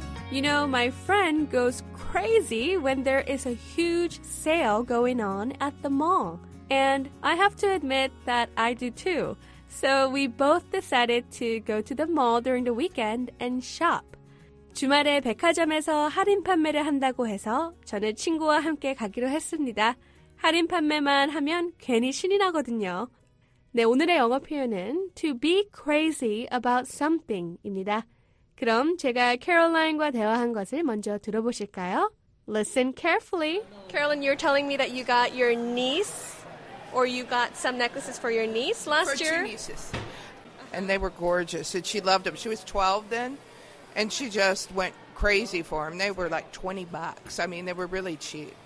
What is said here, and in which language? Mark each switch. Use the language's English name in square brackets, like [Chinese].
[English] You know, my friend goes crazy when there is a huge sale going on at the mall. And I have to admit that I do too. So we both decided to go to the mall during the weekend and shop. [Korean] 주말에 백화점에서 할인 판매를 한다고 해서 저는 친구와 함께 가기로 했습니다. 할인 판매만 하면 괜히 신이 나거든요. 네, 오늘의 영어 표현은 [English] to be crazy about something [Korean] 입니다. 그럼 제가 캐롤라인과 대화한 것을 먼저 들어보실까요? [English] Listen carefully. Carolyn, you're telling me that you got your niece or you got some necklaces for your niece last for year? For two nieces. And they were gorgeous. And she loved them. She was 12 then. And she just went crazy for them. They were like $20. I mean, they were really cheap.